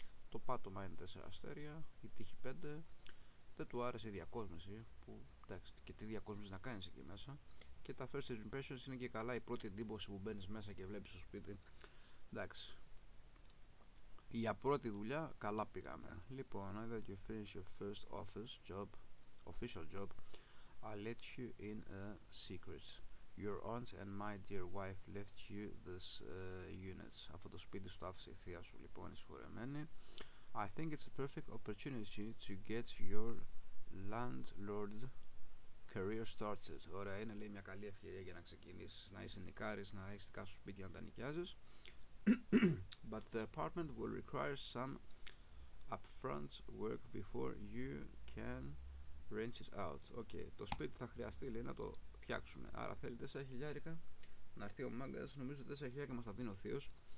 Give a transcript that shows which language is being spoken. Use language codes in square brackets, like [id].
[el] Το πάτωμα είναι 4 αστέρια, η τύχη 5. Δεν του άρεσε η διακόσμηση, που εντάξει, και τι διακόσμηση να κάνεις εκεί μέσα. Και τα [en] first impressions [el] είναι και καλά η πρώτη εντύπωση που μπαίνεις μέσα και βλέπεις το σπίτι. Εντάξει. Για πρώτη δουλειά, καλά πήγαμε. Λοιπόν, [en] either you finish your first office job, official job, I'll let you in a secret. Your aunt and my dear wife left you this unit. [el] Αυτό το σπίτι σου το άφησε η θεία σου, λοιπόν, συγχωρεμένη. [en] I think it's a perfect opportunity to get your landlord career started. [el] Ωραία, είναι λέει μια καλή ευκαιρία για να ξεκινήσεις, να είσαι νικάρης, να έχεις δικά σου σπίτια να τα νοικιάζεις. [en] But the apartment will require some upfront work before you can rent it out. [el] Okay, το σπίτι θα χρειαστεί λέει να το φτιάξουμε. Άρα θέλει 4.000 να έρθει ο μάγκας. Νομίζω 4.000 και μας θα δίνει ο θείος.